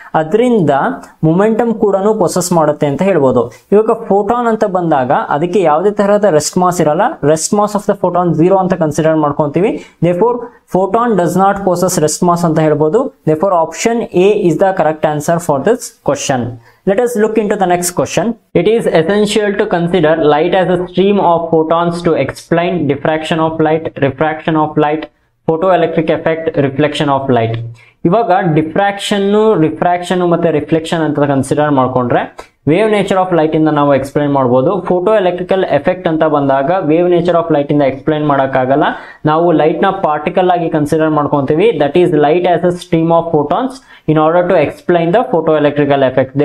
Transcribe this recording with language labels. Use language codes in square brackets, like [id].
[kn] ಅದರಿಂದ ಮೊಮೆಂಟಮ್ ಕೂಡ ಪೊಸೆಸ್ ಮಾಡುತ್ತೆ ಅಂತ ಹೇಳ್ಬೋದು. ಇವಾಗ ಫೋಟಾನ್ ಅಂತ ಬಂದಾಗ ಅದಕ್ಕೆ ಯಾವುದೇ ತರಹದ ರೆಸ್ಟ್ ಮಾಸ್ ಇರಲ್ಲ. [en] rest mass of the photon zero [kn] ಅಂತ ಕನ್ಸಿಡರ್ ಮಾಡ್ಕೊಂತೀವಿ. [en] therefore photon does not possess rest mass [kn] ಅಂತ ಹೇಳ್ಬೋದು. [en] Therefore option A is the correct answer for this question. Let us look into the next question. It is essential to consider light as a stream of photons to explain diffraction of light, refraction of light, photoelectric effect, reflection of light. [kn] ಇವಾಗ diffraction, refraction ಮತ್ತೆ reflection ಅಂತ consider ಮಾಡ್ಕೊಂಡ್ರೆ [en] wave nature of light [kn] ಇಂದ ನಾವು explain ಮಾಡ್ಬೋದು. Photo electrical effect ಅಂತ ಬಂದಾಗ [en] wave nature of light [kn] ಇಂದ ಎಕ್ಸ್ಪ್ಲೈನ್ ಮಾಡೋಕ್ಕಾಗಲ್ಲ. ನಾವು ಲೈಟ್ ನ ಪಾರ್ಟಿಕಲ್ ಆಗಿ ಕನ್ಸಿಡರ್ ಮಾಡ್ಕೊಂತೀವಿ. [en] That is light as a stream of photons in order to explain the photo electrical effect.